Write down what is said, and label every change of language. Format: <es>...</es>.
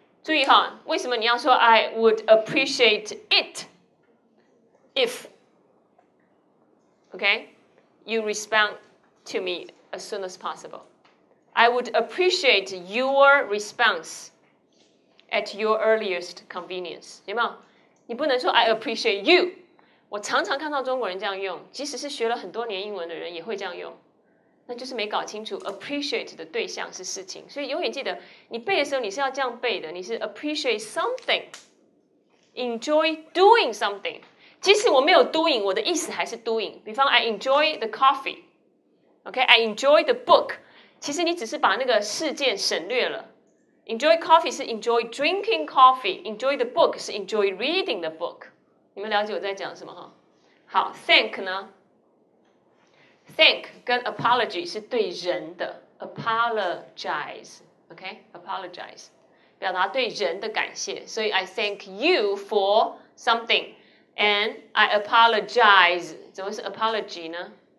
<zh>注意哈，为什么你要说</zh> <en>I would appreciate it if OK you respond to me as soon as possible。 I would appreciate your responseAt your earliest convenience， 有没有？</en> <zh>你不能说</zh> <en>I appreciate you。</en> <zh>我常常看到中国人这样用，即使是学了很多年英文的人也会这样用，那就是没搞清楚 appreciate 的对象是事情。所以永远记得，你背的时候你是要这样背的，你是</zh> <en>appreciate something， enjoy doing something。</en> <zh>即使我没有 doing， 我的意思还是 doing。比方</zh> <en>I enjoy the coffee，</en> <zh>OK，</zh> <en>I enjoy the book。</en> <zh>其实你只是把那个事件省略了。</zh> <en>Enjoy coffee 是 enjoy drinking coffee， enjoy the book 是 enjoy reading the book。</en> <zh>你们了解我在讲什么哈？好， thank 呢？thank 跟 apology 是对人的 apologize， OK， apologize 表达对人的感谢。</zh> <en>所以 I thank you for something and I apologize，</en> <zh>怎么是 apology 呢？</zh>